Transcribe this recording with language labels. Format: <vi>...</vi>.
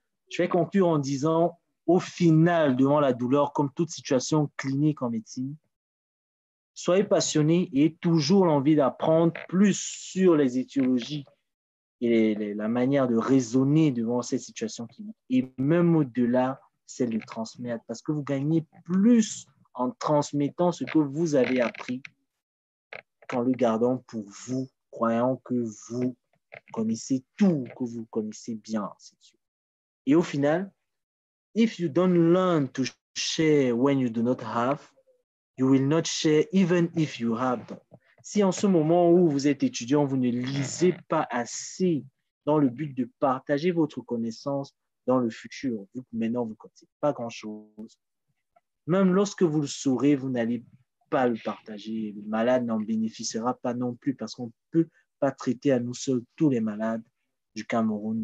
<fr>Je vais conclure en disant, au final, devant la douleur, comme toute situation clinique en médecine, soyez passionnés et ayez toujours l'envie d'apprendre plus sur les étiologies et la manière de raisonner devant cette situation clinique, et même au-delà, celle de transmettre, parce que vous gagnez plus en transmettant ce que vous avez appris qu'en le gardant pour vous, croyant que vous connaissez tout, que vous connaissez bien. Et au final,</fr> <en>if you don't learn to share when you do not have, you will not share even if you have.</en> <fr>Donc, si en ce moment où vous êtes étudiant, vous ne lisez pas assez dans le but de partager votre connaissance dans le futur, vu que maintenant vous ne connaissez pas grand-chose, même lorsque vous le saurez, vous n'allez pas le partager. Le malade n'en bénéficiera pas non plus parce qu'on ne peut pas traiter à nous seuls tous les malades du Cameroun.</fr>